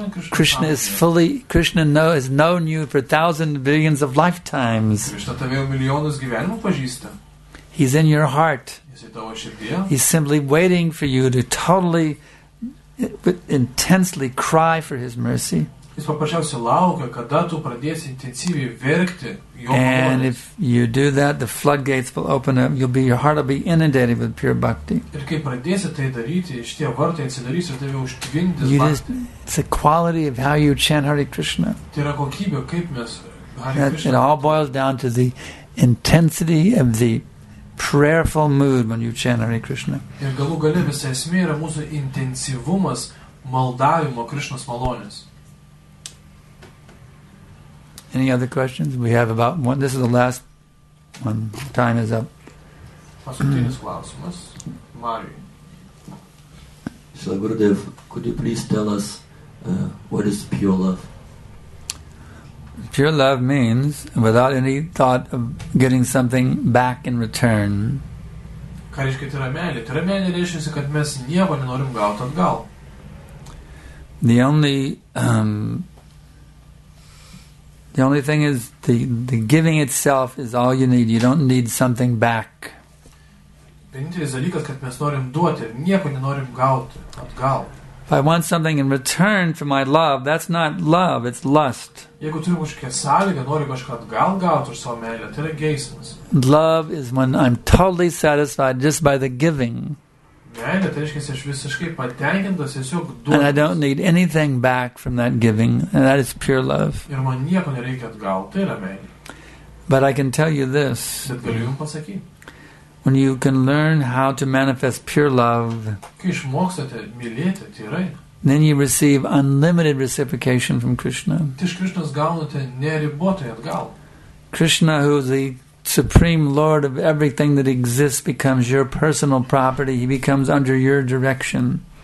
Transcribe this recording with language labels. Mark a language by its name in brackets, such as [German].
[English] Krishna is fully, Krishna has known you for thousands and billions of lifetimes. He's in your heart. He's simply waiting for you to totally, intensely cry for his mercy. [Lithuanian] Jis paprasčiausiai laukia, kada tu pradėsi intensyviai verkti jo [English] And if you do that, the floodgates will open up. You'll be, your heart will be inundated with pure bhakti. [Lithuanian] Ir kai pradėsi tai daryti, šitie vartai atsidarys ir tave užtvindys bhakti. [English] It's a quality of how you chant Hare Krishna. [Lithuanian] Tai yra kokybė, kaip mes Hare [English] Krishna. It all boils down to the intensity of the prayerful mood when you chant Hare Krishna. [Lithuanian] Ir galų gale visa esmė yra mūsų intensyvumas maldavimo Krishnos malonės. [English] Any other questions? We have about one. This is the last one. Time is up. [Lithuanian] Paskutinis klausimas. Mariju. [English] So, Gurudev, could you please tell us what is pure love? Pure love means without any thought of getting something back in return. [Lithuanian] Ką reiškia tai yra meilė? Tai yra meilė reiškia, kad mes nieko nenorim gauti atgal. [English] The only... The only thing is the giving itself is all you need. You don't need something back. [Lithuanian] Vienintelis dalykas, kad mes norim duoti, nieko nenorim gauti atgal. [English] If I want something in return for my love, that's not love, it's lust. [Lithuanian] Jeigu turiu kažkokią sąlygą, noriu kažką atgal gauti už savo meilę, tai yra geismas. [English] Love is when I'm totally satisfied just by the giving. [Lithuanian] Meilė, tai reiškia, aš visiškai patenkintas, tiesiog duodamas. [English] And I don't need anything back from that giving, and that is pure love. [Lithuanian] Ir man nieko nereikia atgal, tai yra meilė. [English] But I can tell you this. [Lithuanian] Bet galiu jums pasakyti. [English] When you can learn how to manifest pure love, [Lithuanian] kai išmoksate mylėti tyrai, [English] then you receive unlimited reciprocation from Krishna. [Lithuanian] Tai iš Krishnos gaunate neribotai atgal. [English] Krishna, who is the Supreme Lord of everything that exists becomes your personal property. He becomes under your direction.